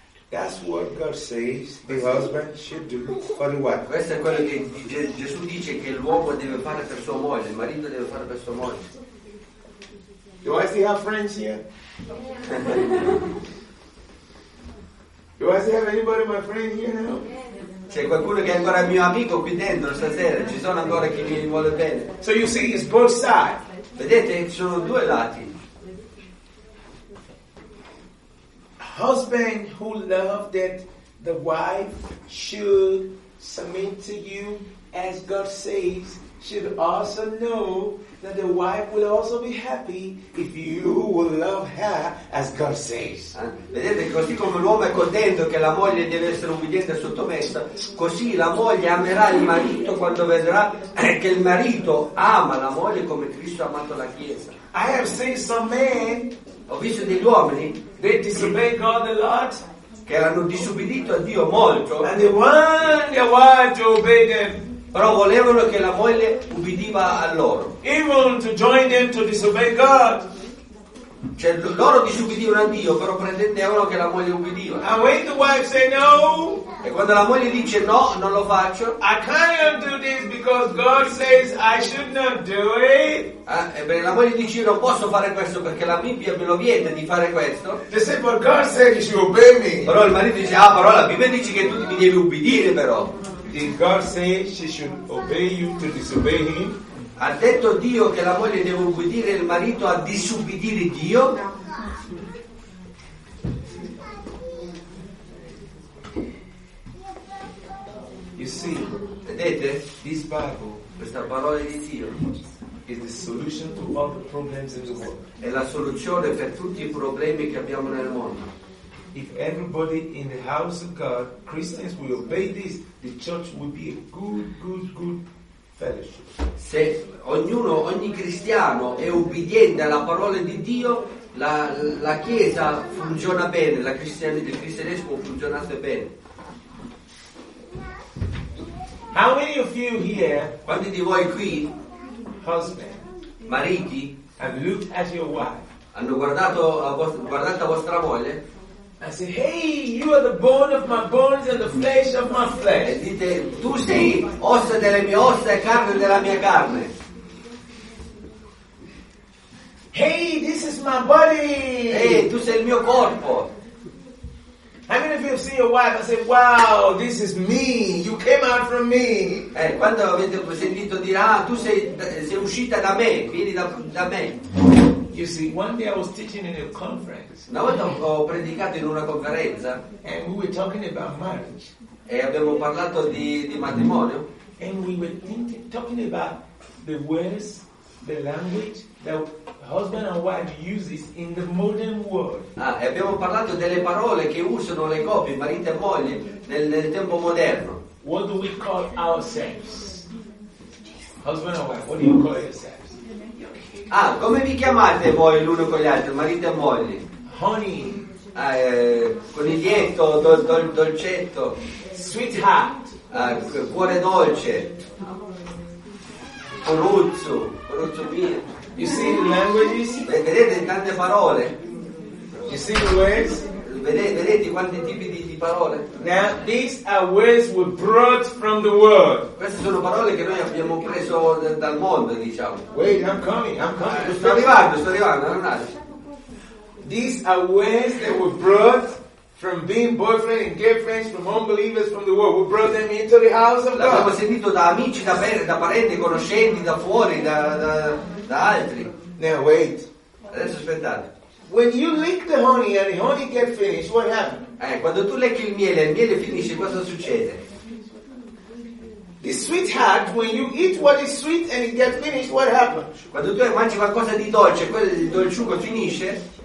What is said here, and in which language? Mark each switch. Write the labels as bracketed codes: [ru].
[en] That's what God says the husband should do for the wife. [it] Questo è quello che Gesù dice che l'uomo deve fare per sua moglie, il marito deve fare per sua moglie. [en] Do I see our friends here? Do I see anybody my friend here now? [it] C'è qualcuno che è ancora mio amico qui dentro stasera? Ci sono ancora chi mi vuole bene? [en] So you see, it's both sides. [it] Vedete, ci sono due lati. [en] Husband who love that the wife should submit to you as God says should also know that the wife will also be happy if you will love her as God says. [it] Vedete, così come l'uomo è contento che la moglie deve essere ubbidiente e sottomessa, così la moglie amerà il marito quando vedrà che il marito ama la moglie come Cristo ha amato la chiesa. [en] I have seen some men. [it] Ho visto degli uomini. [en] They disobeyed God a lot. [it] Che erano disubbidito a Dio molto. [en] And they want their wife to obey them. [it] Però volevano che la moglie ubbidiva a loro. [en] Even to join them to disobey God. [it] Cioè loro disubbidivano a Dio, però pretendevano che la moglie ubbidiva. [en] And when the wife say no, [it] E quando la moglie dice no, non lo faccio. [en] I cannot do this because God says I should not do it. [it] Ebbene, la moglie dice io non posso fare questo perché la Bibbia me lo vieta di fare questo. [en] The same for God says you obey me. [it] Però il marito dice ah, però la Bibbia dice che tu mi devi ubbidire però. [en] Did God say she should obey you to disobey him? [it] Ha detto Dio che la moglie deve ubbidire il marito a disubbidire Dio? [en] You see, [it] vedete, [en] this Bible, [it] questa parola di Dio, [en] is the solution to all the problems in the world. [it] È la soluzione per tutti i problemi che abbiamo nel mondo. [en] If everybody in the house of God, Christians, will obey this, the church will be a good fellowship. [it] Se ognuno, ogni cristiano è ubbidiente alla parola di Dio, la chiesa funziona bene, il cristianesimo funziona bene. [en] How many of you here, [it] quanti di voi qui, [en] husband, [it] mariti, [en] have looked at your wife, [it] hanno guardato guardate a vostra moglie? [en] I say, hey, you are the bone of my bones and the flesh of my flesh. [it] E dite, tu sei ossa delle mie ossa e carne della mia carne. [en] Hey, this is my body. [it] Hey, tu sei il mio corpo. [en] How many of you have seen your wife and said, wow, this is me, you came out from me? [it] Quando avete sentito dire, ah, tu sei uscita da me, vieni da me. [en] You see, one day I was teaching in a conference. [it] Una volta ho predicato in una conferenza. [en] And we were talking about marriage. [it] E abbiamo parlato di matrimonio. [en] And we were talking about the words, the language that husband and wife uses in the modern world. [it] E abbiamo parlato delle parole che usano le coppie, marito e moglie, nel tempo moderno. [en] What do we call ourselves? Husband and wife, what do you call yourself? [it] Ah, come vi chiamate voi l'uno con gli altri, marito e moglie? [en] Honey. [it] Coniglietto, dolcetto. [en] Sweetheart. [it] Cuore dolce. Coruzzo. Coruzzo mio. [en] You see the languages? [it] Vedete tante parole? [en] You see the words? [it] Vedete quanti tipi di parole? [en] Now, these are words we brought from the world. [it] Queste sono parole che noi abbiamo preso dal mondo, diciamo. [en] Wait, I'm coming. [it] Sto arrivando, non attimo. [en] These are words that were brought from being boyfriend and girlfriends, from unbelievers, from the world. We brought them into the house of God. [it] L'abbiamo sentito da amici, da parenti, conoscenti, da fuori, da altri. [en] Now, wait. [it] Adesso aspettate. [en] When you lick the honey and the honey get finished, what happens? [it] Quando tu lecchi il miele finisce, cosa succede? [en] The sweetheart, when you eat what is sweet and it gets finished, what happens? [it] Quando tu mangi qualcosa di dolce, quel dolciuccio finisce?